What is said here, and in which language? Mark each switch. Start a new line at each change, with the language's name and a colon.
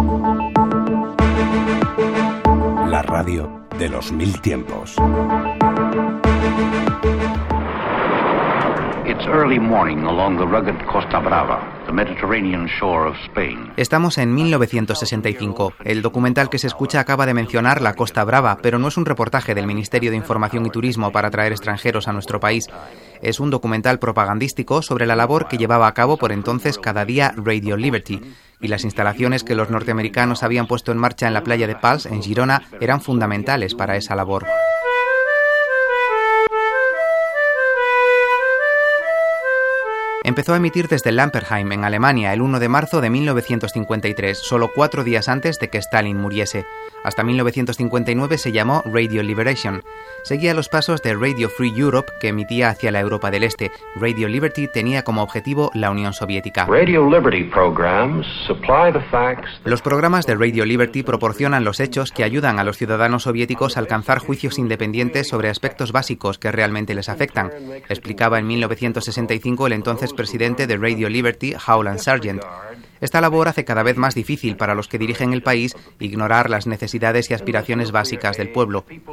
Spanish: La radio de los mil tiempos.
English: It's early morning along the rugged Costa Brava. Mediterranean shore of Spain.
Spanish: Estamos en 1965. El documental que se escucha acaba de mencionar la Costa Brava, pero no es un reportaje del Ministerio de Información y Turismo para atraer extranjeros a nuestro país. Es un documental propagandístico sobre la labor que llevaba a cabo por entonces cada día Radio Liberty. Y las instalaciones que los norteamericanos habían puesto en marcha en la playa de Pals, en Girona, eran fundamentales para esa labor. Empezó a emitir desde Lampertheim, en Alemania, el 1 de marzo de 1953, solo 4 días antes de que Stalin muriese. Hasta 1959 se llamó Radio Liberation. Seguía los pasos de Radio Free Europe, que emitía hacia la Europa del Este. Radio Liberty tenía como objetivo la Unión Soviética.
English: Radio Liberty programs supply the facts that...
Spanish: Los programas de Radio Liberty proporcionan los hechos que ayudan a los ciudadanos soviéticos a alcanzar juicios independientes sobre aspectos básicos que realmente les afectan, explicaba en 1965 el entonces presidente de Radio Liberty, Howland Sargent. Esta labor hace cada vez más difícil para los que dirigen el país ignorar las necesidades y aspiraciones básicas del pueblo.